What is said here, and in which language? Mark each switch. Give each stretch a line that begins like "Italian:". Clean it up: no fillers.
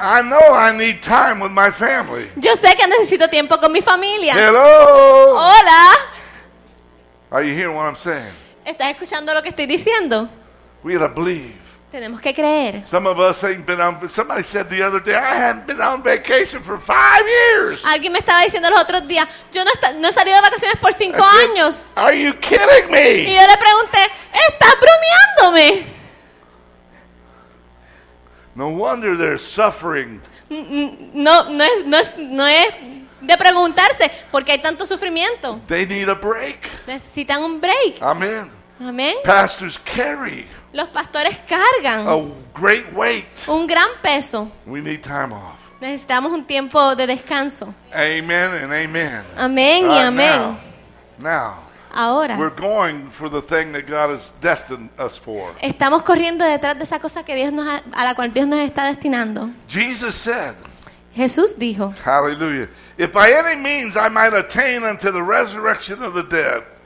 English: I know I need time with my family.
Spanish: Yo sé que necesito tiempo con mi familia.
English: Hello.
Spanish: Hola.
English: Are you hearing what I'm saying?
Spanish: ¿Estás escuchando lo que estoy diciendo?
English: We gotta believe.
Spanish: Tenemos que creer.
English: Some of us ain't been on. Somebody said the other day, I haven't been on vacation for 5 years.
Spanish: Alguien me estaba diciendo los otros días, yo no he salido de vacaciones por 5 años.
English: Are you kidding me?
Spanish: Y yo le pregunté, ¿estás bromeándome?
English: No wonder they're suffering.
Spanish: No es de preguntarse porque hay tanto sufrimiento.
English: They need a break.
Spanish: Necesitan un break.
English: Amen.
Spanish: Amen.
English: Pastors carry.
Spanish: Los pastores cargan
English: a great weight.
Spanish: Un gran peso.
English: We need time off.
Spanish: Necesitamos un tiempo de descanso.
English: Amen and amen.
Spanish: Amén y amén.
English: Now.
Spanish: Ahora.
English: We're going for the thing that God has destined us for.
Spanish: Estamos corriendo detrás de esa cosa que Dios a la cual Dios nos está destinando.
English: Jesus said.
Spanish: Jesús dijo.
English: Hallelujah. If by any means I might attain unto the resurrection of the dead.